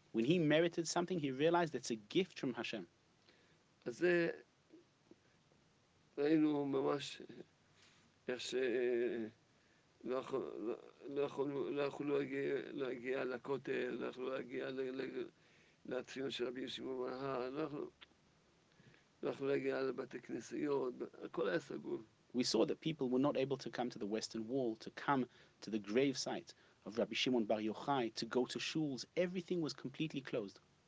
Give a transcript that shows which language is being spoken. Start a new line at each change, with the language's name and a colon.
English: When he merited something, he realized it's a gift from Hashem.
Hebrew: אז זה ראינו ממש איך לא יכולנו להגיע לכותל, לא יכולנו להגיע לתפילות של רבי יוסי מברהה, לא יכולנו להגיע לבית הכנסיות, הכל היה סגור.
English: We saw that people were not able to come to the Western Wall, to come to the grave site of Rabbi Shimon Bar Yochai, to go to shuls. Everything was completely closed.